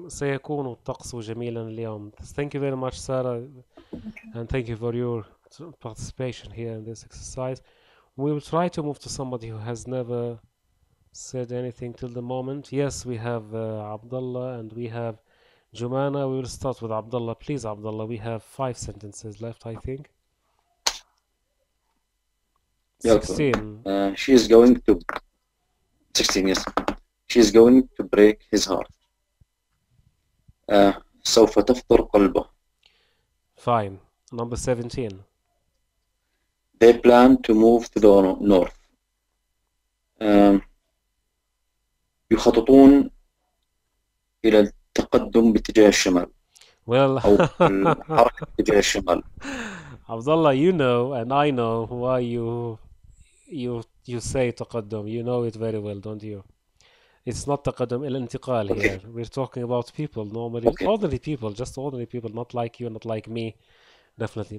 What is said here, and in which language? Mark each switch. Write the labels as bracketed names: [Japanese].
[Arabic] سيكون الطقس جميلا اليوم. [English] Thank you very much, Sarah. And thank you for your participation here in this exercise. We will try to move to somebody who has never said anything till the moment. Yes, we have Abdullah and we have Jumana. We will start with Abdullah. Please, Abdullah, we have 5 sentences left, I think. 16. She is going to... 16, yes. She is going to break his heart. [Arabic] سوف تفطر قلبه. [English] Fine. Number 17. They plan to move to the north. [Arabic] يخططون إلى التقدم باتجاه الشمال. [English] Well, [Arabic] أو الحركة باتجاه الشمال. [English] Abdullah, you know and I know why you say [Arabic] تقدم. [English] You know it very well, don't you? It's not [Arabic] تقدم, الانتقال [English] okay. here. We're talking about people, normally okay. ordinary people, just ordinary people, not like you, not like me, definitely.